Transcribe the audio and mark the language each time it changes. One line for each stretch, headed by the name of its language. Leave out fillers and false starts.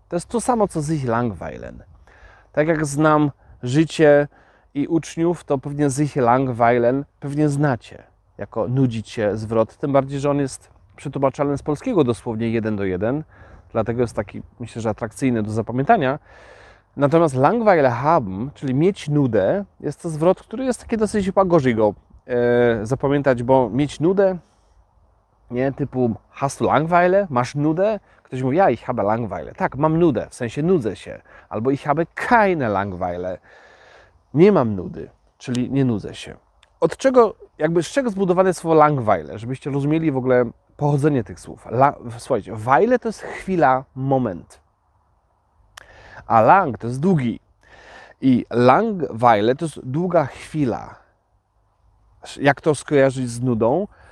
Polish: To jest to samo, co
German: sich langweilen.
Polish: Tak jak znam życie i uczniów, to pewnie sich langweilen pewnie znacie jako nudzić się zwrot, tym bardziej, że on jest przetłumaczalny z polskiego dosłownie 1:1, dlatego jest taki, myślę, że atrakcyjny do zapamiętania. Natomiast
German: langweile haben,
Polish: czyli mieć nudę, jest to zwrot, który jest taki dosyć chyba gorzej go zapamiętać, bo mieć nudę, nie, typu
German: hast du langweile,
Polish: masz nudę? Ktoś mówi, ja
German: ich habe langweile.
Polish: Tak, mam nudę, w sensie nudzę się. Albo
German: ich habe keine langweile.
Polish: Nie mam nudy, czyli nie nudzę się. Od czego, jakby z czego zbudowane słowo langweile, żebyście rozumieli w ogóle pochodzenie tych słów. Słuchajcie, weile to jest chwila, moment. A lang to jest długi. I langweile to jest długa chwila. Jak to skojarzyć z nudą?